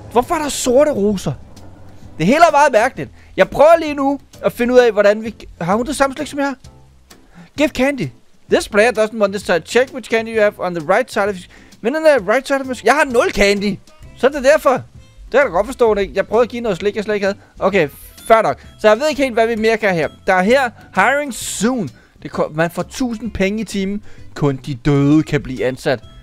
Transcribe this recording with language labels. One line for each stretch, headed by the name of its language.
Danish: Hvorfor er der sorte roser? Det hele er meget mærkeligt. Jeg prøver lige nu at finde ud af, hvordan vi... Har hun det samme slik som jeg?
English: Give candy. This player doesn't want this to check which candy you have on the right side of...
Danish: Men den der
English: right side of...
Danish: Jeg har 0 candy. Så er det derfor. Det kan du godt forstå, ikke? Jeg prøvede at give noget slik, jeg slet ikke havde. Okay, fair nok. Så jeg ved ikke helt, hvad vi mere kan her. Der er her
English: hiring soon.
Danish: Det man får 1000 penge i timen. Kun de døde kan blive ansat.